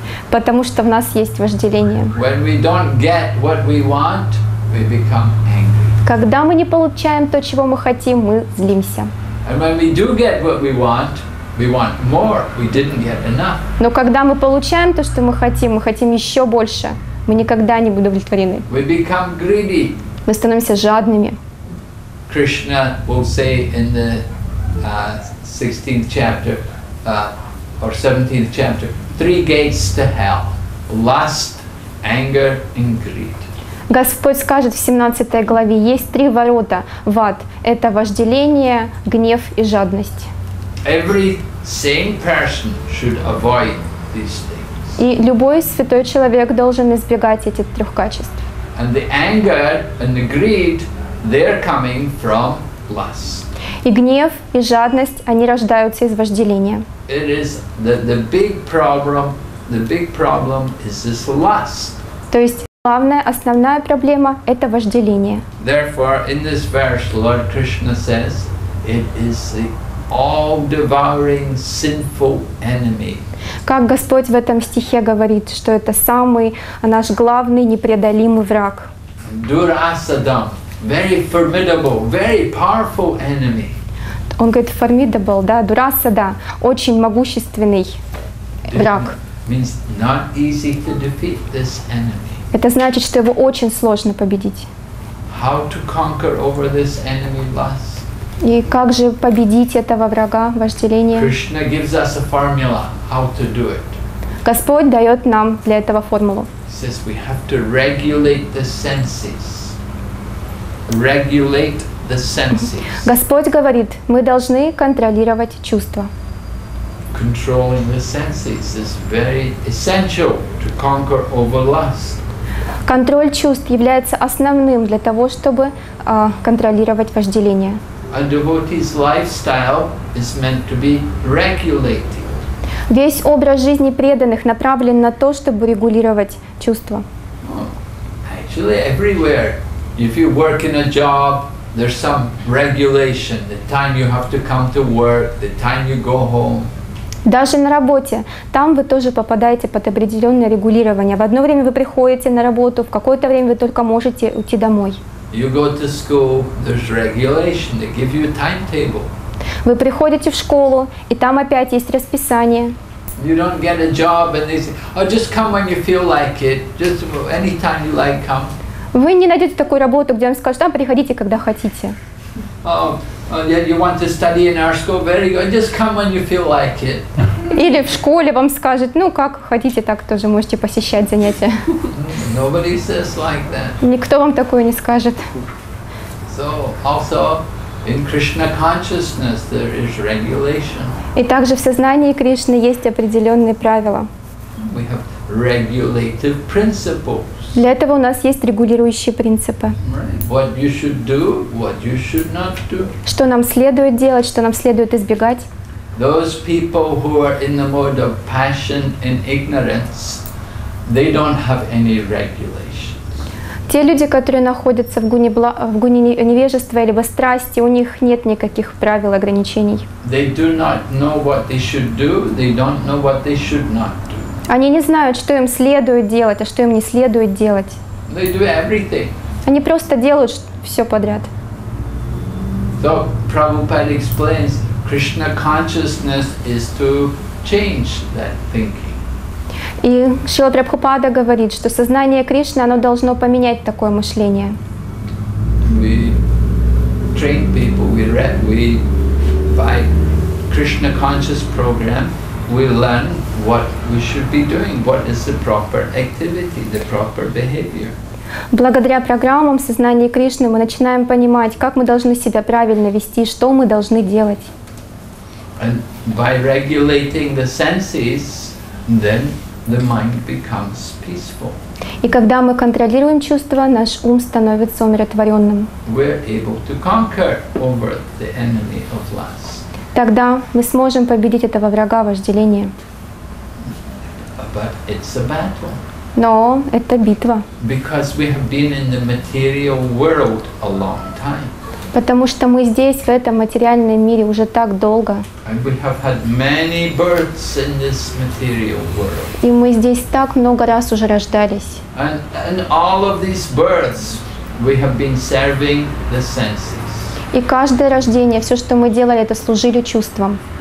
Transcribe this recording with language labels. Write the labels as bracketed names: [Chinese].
[Russian] Потому что в нас есть вожделение. [English] When we don't get what we want, we become angry. [Russian] Когда мы не получаем то, чего мы хотим, мы злимся. [English] And when we do get what we want, we want more. We didn't get enough. [Russian] Но когда мы получаем то, что мы хотим еще больше. Мы никогда не будем удовлетворены. [English] We become greedy. [Russian] Мы становимся жадными. [English] Krishna will say in the 16th chapter or 17th chapter, three gates to hell: lust, anger, and greed. [Russian] Господь скажет в 17 главе, есть три ворота в ад. Это вожделение, гнев и жадность. [English] Every sane person should avoid these things. [Russian] И любой святой человек должен избегать этих трех качеств. [English] And the anger and the greed, they're coming from lust. [Russian] И гнев и жадность, они рождаются из вожделения. [English] It is the big problem is this lust. [Russian] То есть Главная, основная проблема – это вожделение. [English] Therefore, in this verse, Lord Krishna says, it is the all-devouring sinful enemy. [Russian] Как Господь в этом стихе говорит, что это самый наш главный непреодолимый враг. [English] Дурасадам, very formidable, very powerful enemy. [Russian] Он говорит formidable, да, Дурасада, очень могущественный враг. [English] Means not easy to defeat this enemy. [Russian] Это значит, что его очень сложно победить. [English] How to conquer over this enemy lust? [Russian] И как же победить этого врага, вожделение? [English] Krishna gives us a formula how to do it. [Russian] Господь дает нам для этого формулу. [English] He says we have to regulate the senses. Regulate the senses. [Russian] Господь говорит, мы должны контролировать чувства. [English] Controlling the senses is very essential to conquer over lust. [Russian] Контроль чувств является основным для того, чтобы контролировать вожделение. [English] A devotee's lifestyle is meant to be regulated. [Russian] Весь образ жизни преданных направлен на то, чтобы регулировать чувства. [English] Actually, everywhere, if you work in a job, there's some regulation: the time you have to come to work, the time you go home. [Russian] Даже на работе, там вы тоже попадаете под определенное регулирование. В одно время вы приходите на работу, в какое-то время вы только можете уйти домой. [English] You go to school, there's regulation, they give you a timetable. [Russian] Вы приходите в школу, и там опять есть расписание. [English] You don't get a job and they say, oh, just come when you feel like it, just anytime you like, come. [Russian] Вы не найдете такую работу, где вам скажут, да, приходите, когда хотите. [English] Oh, yeah, you want to study in our school? Very good. Just come when you feel like it. [Russian] Или в школе вам скажут, ну как хотите, так тоже можете посещать занятия. [English] Nobody says like that. [Russian] Никто вам такое не скажет. [English] So also in Krishna consciousness there is regulation. [Russian] И также в сознании Кришны есть определенные правила. [English] We have regulative principles. [Russian] Для этого у нас есть регулирующие принципы. [English] What you should do, what you should not do. [Russian] Что нам следует делать, что нам следует избегать. [English] Those people who are in the mode of passion and ignorance, they don't have any regulations. [Russian] Те люди, которые находятся в гуне невежества или во страсти, у них нет никаких правил и ограничений. [English] They do not know what they should do, they don't know what they should not do. [Russian] Они не знают, что им следует делать, а что им не следует делать. [English] They do everything. [Russian] Они просто делают все подряд. [English] So, Prabhupada explains, Krishna consciousness is to change that thinking. [Russian] И Шрила Прабхупада говорит, что сознание Кришны, оно должно поменять такое мышление. [English] We train people, we by Krishna conscious program, we learn what we should be doing, what is the proper activity, the proper behavior. [Russian] Благодаря программам сознания Кришны мы начинаем понимать, как мы должны себя правильно вести, что мы должны делать. [English] And by regulating the senses, then the mind becomes peaceful. [Russian] И когда мы контролируем чувства, наш ум становится умиротворенным. [English] We're able to conquer over the enemy of lust. [Russian] Тогда мы сможем победить этого врага вожделения. [English] But it's a battle. [Russian] Но это битва. [English] Because we have been in the material world a long time. [Russian] Потому что мы здесь, в этом материальном мире, уже так долго. [English] And we have had many births in this material world. [Russian] И мы здесь так много раз уже рождались. [English] And all of these births, we have been serving the senses. [Russian] И каждое рождение, все, что мы делали, это служили чувствам.